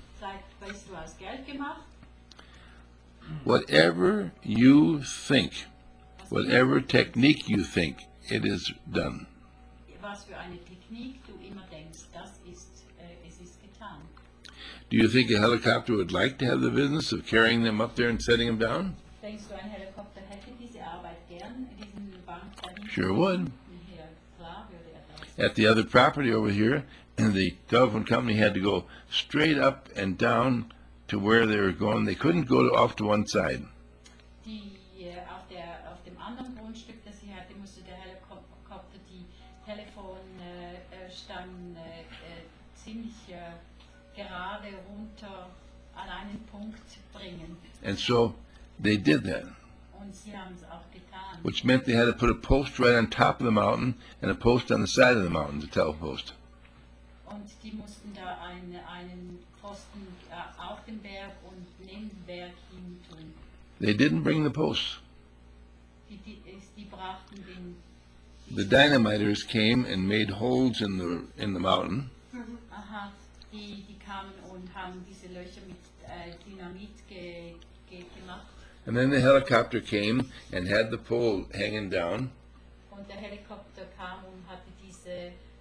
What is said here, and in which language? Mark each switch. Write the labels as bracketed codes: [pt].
[de] Seit, weißt du, hast Geld gemacht? [en] Whatever you think, whatever technique you think, it is done. [de] Was für eine Technik du immer denkst, das ist, es ist getan. [en] Do you think a helicopter would like to have the business of carrying them up there and setting them down? [de] Denkst du, ein Helikopter hätte diese Arbeit gern, diesen Bank? [en] Sure would. [de] Klar würde er das. [en] At the other property over here, and the telephone company had to go straight up and down to where they were going. They couldn't go off to one side. [de] Die, auf der, auf dem anderen Grundstück, das sie hatte, musste der Helikopter die Telefonstangen ziemlich gerade runter an einen Punkt bringen. [en] And so they did that. [de] Und sie haben's auch getan. [en] Which meant they had to put a post right on top of the mountain and a post on the side of the mountain, the telepost. [de] Und die mussten da einen Posten auf dem Berg und neben dem Berg hin tun. [en] They didn't bring the posts. [de] Die brachten den. [en] The dynamiters came and made holes in the mountain. [de] Aha, die kamen und haben diese Löcher mit Dynamit gemacht. [en] And then the helicopter came and had the pole hanging down. [de] Und der Helikopter kam und hatte diese.